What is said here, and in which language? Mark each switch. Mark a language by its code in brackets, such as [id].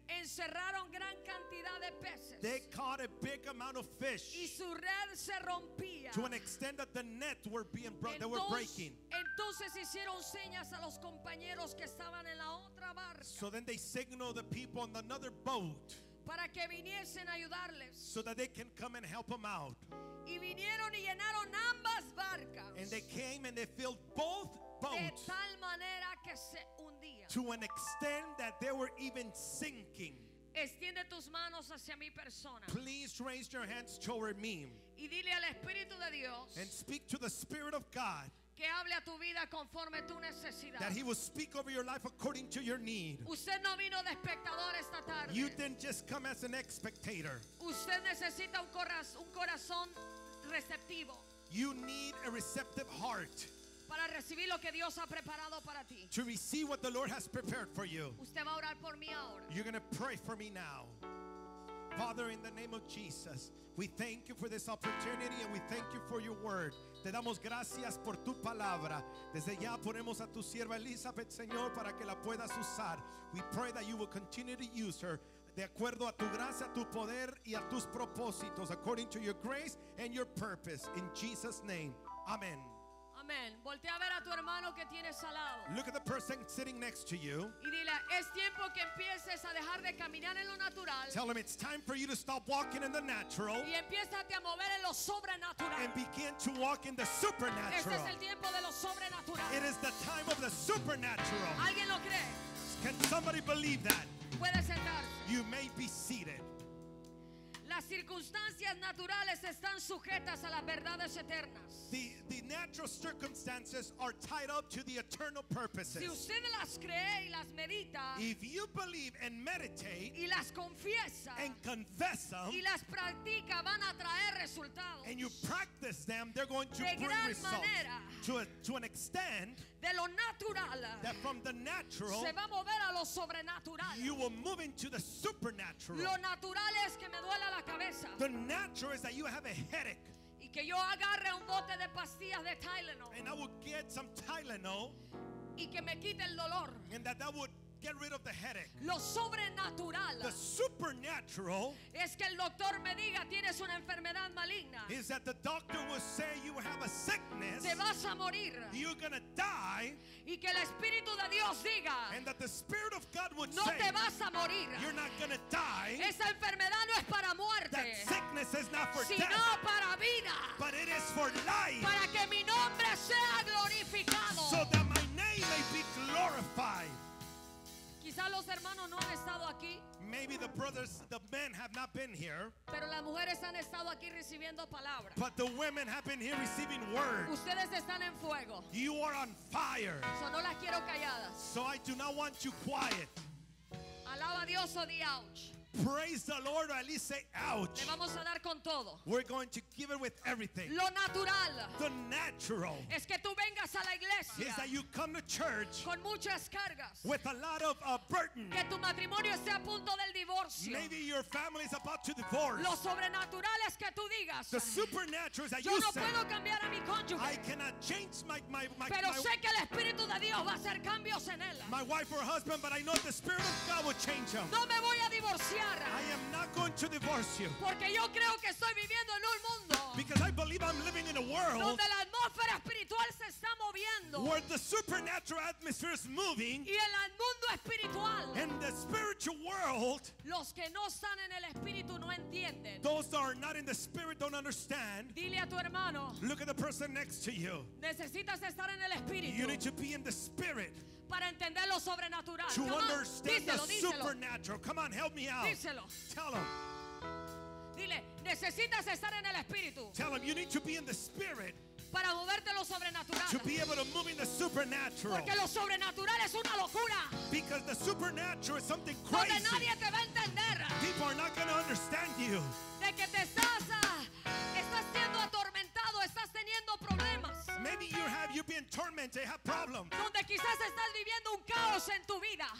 [es] encerraron gran cantidad de peces. [en] They caught a big amount of fish. [es] Y su red se rompía. [en] To an extent that the net were being broken, they were breaking. [es] Entonces hicieron señas a los compañeros que estaban en la otra barca. [en] So then they signaled the people on another boat. [es] Para que viniesen a ayudarles. [en] So that they can come and help them out. [es] Y vinieron y llenaron ambas barcas. [en] And they came and they filled both boats. [es] De tal manera que se hundía. [en] To an extent that they were even sinking. [es] Extiende tus manos hacia mi persona. [en] Please raise your hands toward me. [es] Y dile al Espíritu de Dios. [en] And speak to the Spirit of God. [es] Que hable a tu vida conforme tu necesidad. [en] That he will speak over your life according to your need. [es] Usted no vino de espectador esta tarde. [en] You didn't just come as an spectator. [es] Usted necesita un corazón receptivo. [en] You need a receptive heart. [es] Para recibir lo que Dios ha preparado para ti. [en] To receive what the Lord has prepared for you. [es] Usted va a orar por mí ahora. [en] You're going to pray for me now. Father, in the name of Jesus, we thank you for this opportunity and we thank you for your word. [es] Te damos gracias por tu palabra. Desde ya ponemos a tu sierva Elizabeth, Señor, para que la puedas usar. [en] We pray that you will continue to use her [es] de acuerdo a tu gracia, a tu poder y a tus propósitos, [en] according to your grace and your purpose. In Jesus' name, amen. Amen. [es] Voltea a ver a tu hermano que tienes al lado. [en] Look at the person sitting next to you. [es] Y dile, es tiempo que empieces a dejar de caminar en lo natural. [en] Tell him it's time for you to stop walking in the natural. [es] Y empiézate a mover en lo sobrenatural. [en] And begin to walk in the supernatural. [es] Este es el tiempo de lo sobrenatural. [en] It is the time of the supernatural. [es] ¿Alguien lo cree? [en] Can somebody believe that? [es] Puede sentarse. [en] You may be seated. [es] Las circunstancias naturales están sujetas a las verdades eternas. [en] The natural circumstances are tied up to the eternal purposes. [es] Si usted las cree y las medita, [en] if you believe and meditate, [es] y las confiesa, [en] and confess them, [es] y las practica, van a traer resultados. [en] And you practice them, they're going to [es] de [en] bring [es] gran [en] results. [es] Manera, [en] to an extent, [es] de lo natural, [en] that from the natural, [es] se va a mover a lo sobrenatural. [en] You will move into the supernatural. [es] Lo natural es que me duele la cabeza. [en] The natural is that you have a headache. [es] Y que yo agarre un bote de pastillas de Tylenol. [en] And I would get some Tylenol. [es] Y que me quite el dolor. [en] And that would get rid of the headache. [es] Lo sobrenatural. [en] The supernatural. [es] Es que el doctor me diga tienes una enfermedad maligna. [en] Is that the doctor would say you have a sickness. [es] Te vas a morir. [en] You're gonna die. [es] Y que el Espíritu de Dios diga. [en] And that the Spirit of God would [es] no [en] say. [es] No te vas a morir. [en] You're not gonna die. [es] Esa enfermedad no es para muerte. [en] That sickness is not for [es] sino [en] death. [es] Sino para vida. [en] But it is for life. [es] Para que mi nombre sea glorificado. [en] So that my name may be glorified. [es] Quizás los hermanos no han estado aquí. [en] Maybe the brothers, the men have not been here. [es] Pero las mujeres han estado aquí recibiendo palabra. [en] But the women have been here receiving word. [es] Ustedes están en fuego. [en] You are on fire. [es] So no las quiero calladas. [en] So I do not want you quiet. [es] Alaba a Dios o di ouch. [en] praise the Lord, or at least say ouch. [es] Le vamos a dar con todo. [en] We're going to give it with everything. [es] Lo natural. [en] The natural. [es] Es que tú vengas a la iglesia. [en] Is that you come to church. [es] Con muchas cargas. [en] With a lot of burden. [es] Que tu matrimonio esté a punto del divorcio. [en] Maybe your family is about to divorce. [es] Lo sobrenatural es que tú digas. [en] The supernatural is that [es] yo [en] you [es] no [en] say. [es] Puedo cambiar a mi cónyuge. [en] I cannot change my [es] pero [en] my, [es] sé que el Espíritu de Dios va a hacer cambios en él. [en] My wife or husband, but I know the Spirit of God will change him. [es] No me voy a divorciar. [en] I am not going to divorce you. [es] Porque yo creo que estoy viviendo en un mundo. [en] Because I believe I'm living in a world. [es] Donde la atmósfera espiritual se está moviendo. [en] Where the supernatural atmosphere is moving. [es] Y en el mundo espiritual. [en] In the spiritual world. [es] Los que no están en el espíritu no entienden. [en] Those that are not in the spirit don't understand. [es] Dile a tu hermano. [en] Look at the person next to you. [es] Necesitas estar en el espíritu. [en] You need to be in the spirit. [es] Para entender lo sobrenatural. [en] To understand the supernatural. Come on, help me out. [es] Díselo. [en] Tell him. [es] Dile, necesitas estar en el espíritu. [en] Tell him you need to be in the spirit. [es] Para moverte lo sobrenatural. [en] To be able to move in the supernatural. [es] Porque lo sobrenatural es una locura. [en] Because the supernatural is something crazy. [es] Donde nadie te va a entender. [en] People are not going to understand you. [es] De que te estás siendo atormentado, estás teniendo problemas. [en] Maybe you've been tormented, have problems. [es] Donde quizás estás viviendo un caos en tu vida.